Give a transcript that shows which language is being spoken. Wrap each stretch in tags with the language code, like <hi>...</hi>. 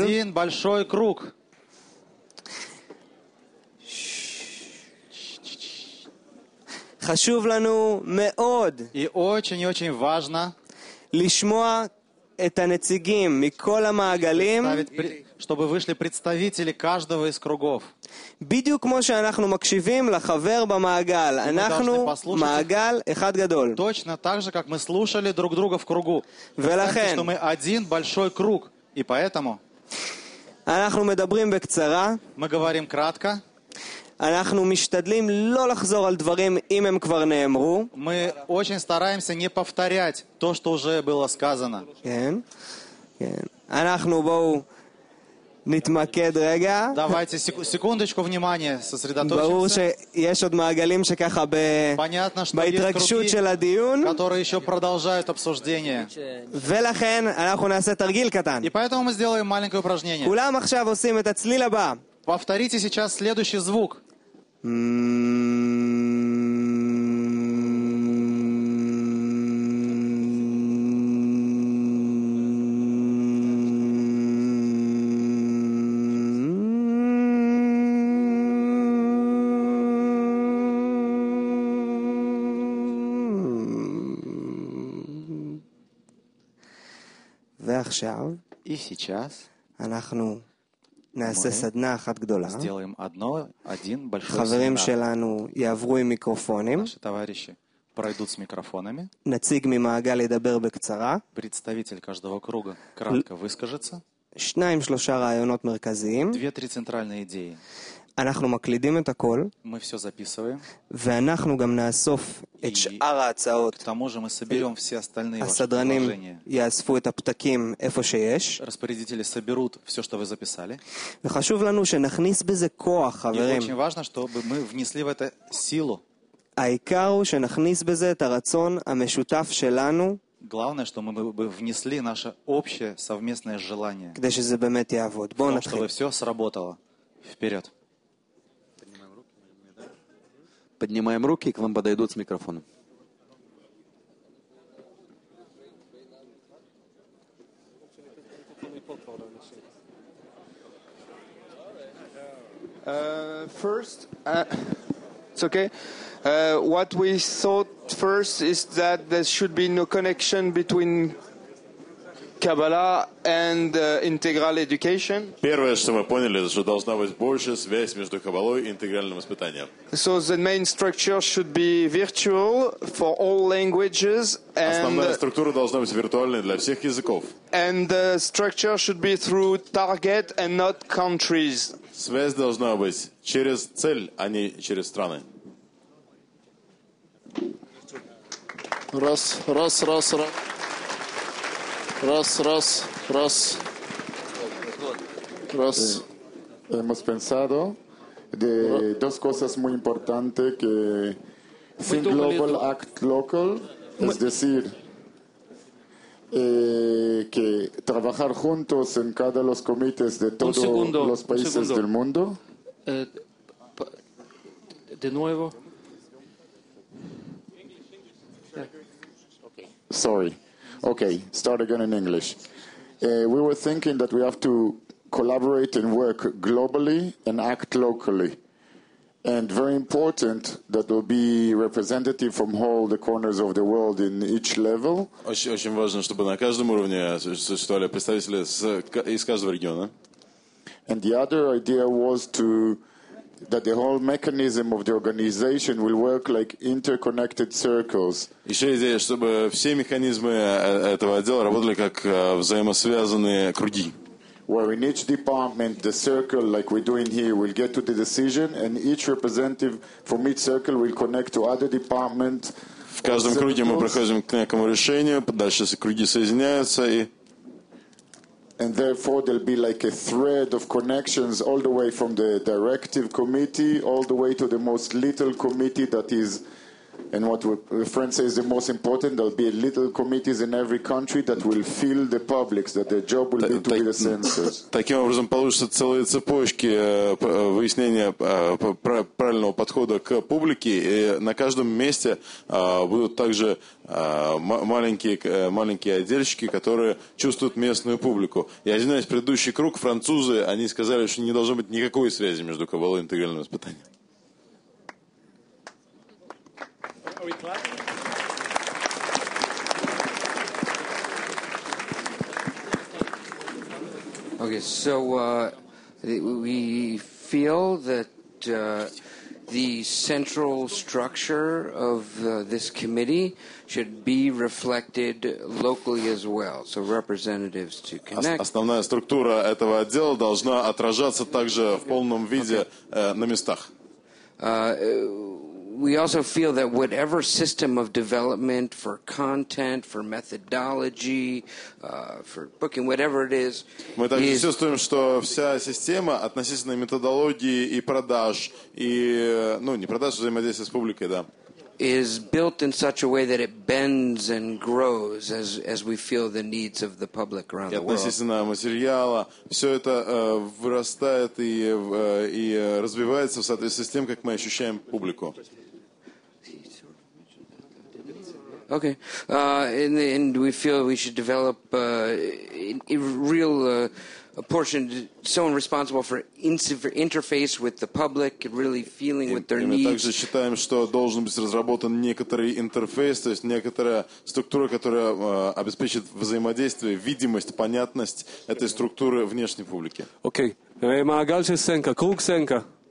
<ru>В один большой круг.</ru> <he>חשוב לנו מאוד.</he> <ru>И очень-очень важно.</ru> <he>לשמוע את הנציגים מכל המעגלים.</he> <ru>Чтобы вышли представители каждого из кругов.</ru> <he>בדיוק כמו שאנחנו מקשיבים לחבר במעגל. אנחנו מעגל אחד גדול.</he> <ru>Точно так же, как мы слушали друг друга в кругу.</ru> <he>ולכן.</he> <ru>Что мы один большой круг. И поэтому.</ru> <he>אנחנו מדברים בקצרה.</he> <ru>Мы говорим кратко.</ru> <he>אנחנו משתדלים לא לחזור על דברים אם הם כבר נאמרו.</he> <ru>Мы очень стараемся не повторять то, что уже было сказано.</ru> <he>כן. כן. אנחנו בואו נתמקד רגע.</he> <ru>Давайте секундочку внимания, сосредоточимся.</ru> <he>ברור שיש עוד מעגלים שככה בהתרגשות של הדיון.</he> <ru>Которые еще продолжают обсуждение.</ru> <he>ולכן אנחנו נעשה תרגיל קטן.</he> <ru>И поэтому мы сделаем маленькое упражнение.</ru> <he>כולם עכשיו עושים את הצליל הבא.</he> <ru>Повторите сейчас следующий звук.</ru> <he>ועכשיו.</he> <ru>И сейчас.</ru> <he>אנחנו. נעשה סדנה אחת גדולה.</he> <ru>Сделаем одно, один большой</ru> <he>סדנה. חברים שלנו יעברו עם מיקרופונים.</he> <ru>Наши товарищи пройдут с микрофонами.</ru> <he>נציג ממעגל ידבר בקצרה.</he> <ru>Представитель каждого круга кратко выскажется.</ru> <he>שניים, שלושה רעיונות מרכזיים.</he> <ru>Две-три центральные идеи.</ru> <he>אנחנו מקלידים את הכל.</he> <ru>Мы все записываем.</ru> <he>ואנחנו גם נאסוף את שאר ההצעות.</he> <ru>К тому же мы соберем все остальные ваши предложения.</ru> <he>הסדרנים יאספו את הפתקים איפה שיש.</he> <ru>Распорядители соберут все, что вы записали.</ru> <he>וחשוב לנו שנכניס בזה כוח, חברים.</he> <ru>И очень важно, чтобы мы внесли в это силу.</ru> <he>העיקר הוא שנכניס בזה את הרצון המשותף שלנו.</he> <ru>Главное, что мы бы внесли наше общее совместное желание. Когда же это</ru> <he>באמת יעבוד?</he> <ru>Бо нахи. Чтобы всё сработало. Вперёд. Поднимаем руки, к вам подойдут с микрофоном.</ru> <en>First, it's okay. What we thought first is that there should be no connection between Kabbalah and integral education.</en> <ru>Первое, что мы поняли, что должна быть больше связь между Каббалой и интегральным воспитанием.</ru> <en>So the main structure should be virtual for all languages and</en> <ru>Основная структура должна быть виртуальной для всех языков.</ru> <en>And the structure should be through target and not countries.</en> <ru>Связь должна быть через цель, а не через страны. Раз, раз, раз, раз. Раз, раз, раз. Раз.</ru> <es>Hemos pensado de dos cosas muy importantes que</es> <en>think global, act local.</en> <es>Es decir, que trabajar juntos en cada los comités de todos los países del mundo. De nuevo.</es> <en>Sorry. Okay, start again in English. We were thinking that we have to collaborate and work globally and act locally. And very important that there will be representative from all the corners of the world in each level.</en> <ru>Очень, очень важно, чтобы на каждом уровне существовали представители из каждого региона.</ru> <en>And the other idea was to that the whole mechanism of the organization will work like interconnected circles.</en> <ru>Ещё идея, чтобы все механизмы этого отдела работали как взаимосвязанные круги.</ru> <en>Where in each department the circle like we're doing here will get to the decision and each representative from each circle will connect to other departments.</en> <ru>В каждом круге мы проходим к некому решению, дальше круги соединяются и</ru> <en>and therefore there'll be like a thread of connections all the way from the directive committee all the way to the most little committee that is and what the French says the most important there'll be a little committees in every country that will fill the publics that their job will be to be the census.</en> <ru>Таким образом получится целые цепочки выяснения правильного подхода к публике и на каждом месте будут также маленькие отдельщики, которые чувствуют местную публику. И один из предыдущих круг французы, они сказали, что не должно быть никакой связи между Каббалой и интегральным воспитанием.</ru> <en>Okay, so we feel that the central structure of this committee should be reflected locally as well. So representatives to connect.</en> <ru>Основная структура этого отдела должна отражаться также в полном виде на местах.</ru> <en>We also feel that whatever system of development for content, for methodology, for booking, whatever it is,</en> <ru>мы также чувствуем, что вся система относительно методологии и продаж и ну не продаж взаимодействия с публикой, да,</ru> <en>is built in such a way that it bends and grows as we feel the needs of the public around the world.</en> <ru>Относительно материала все это вырастает и развивается в соответствии с тем, как мы ощущаем публику.</ru> <en>Okay, and we feel we should develop a portion someone responsible for interface with the public, really feeling with their needs.</en> <ru>Мы также считаем, что должен быть разработан некоторый интерфейс, то есть некоторая структура, которая обеспечит взаимодействие, видимость, понятность этой структуры внешней публике. Okay, Маагал Шесенко, Круг Сенко.</ru>